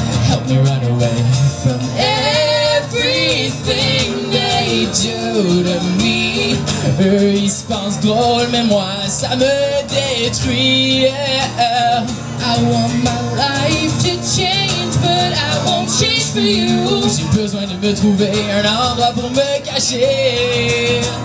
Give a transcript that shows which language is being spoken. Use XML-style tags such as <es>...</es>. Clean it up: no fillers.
<en>Help me run away from everything they do to me.</en> <fr>Eux, ils se pensent drôle, mais moi, ça me détruit.</fr> <en>I want my life to change, but I won't change for you.</en> <fr>J'ai besoin de me trouver un endroit pour me cacher.</fr>